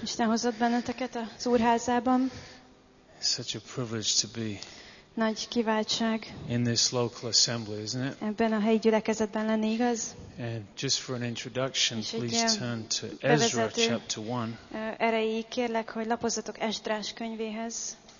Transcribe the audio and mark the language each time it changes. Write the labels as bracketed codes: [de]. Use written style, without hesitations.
[hu] Isten hozott benneteket az Úrházában. [en] It's such a privilege to be [hu] nagy kiváltság [en] in this local assembly, isn't it? [hu] Ebben a helyi gyülekezetben lenni, igaz? [en] And just for an introduction, please turn to Ezra chapter 1. [hu] Erejéig kérlek, hogy lapozzatok Esdrás könyvéhez.